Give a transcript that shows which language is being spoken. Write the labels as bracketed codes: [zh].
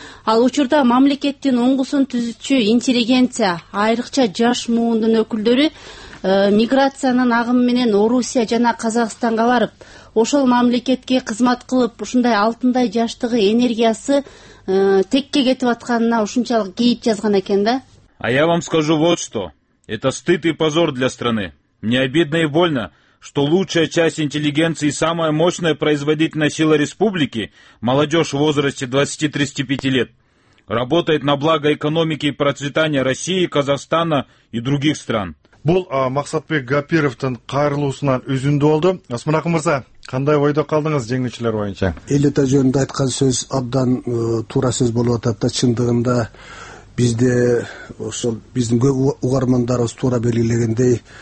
[ky] Ал учурда мамлекеттин оңгусун түзүүчү интеллигенция, айрыкча жаш муундун өкүлдөрү миграциянын агымы менен Орусия жана Казакстанга барып, ошол мамлекетке кызмат кылып, ушундай алтындай жаштыгы энергиясы текке кетип атканына ушунчалык кейип жазган экен да. [ru] А я вам скажу вот что. Это стыд и позор для страны. Мне обидно и больно, что лучшая часть интеллигенции и самая мощная производительная сила республики, молодежь в возрасте 20-35 лет, работает на благо экономики и процветания России, Казахстана и других стран. [ky] Бул Максатбек Гапировдун кайрылуусунан үзүндү болду. Асманакы мырза, кандай ойдо калдыңыз жеңүүчүлөр боюнча? Элита жөнүндө айткан сөз абдан туура сөз болуп атат да, чындыгында бизде ошол биздин көп угармандарыбыз туура белгилегендей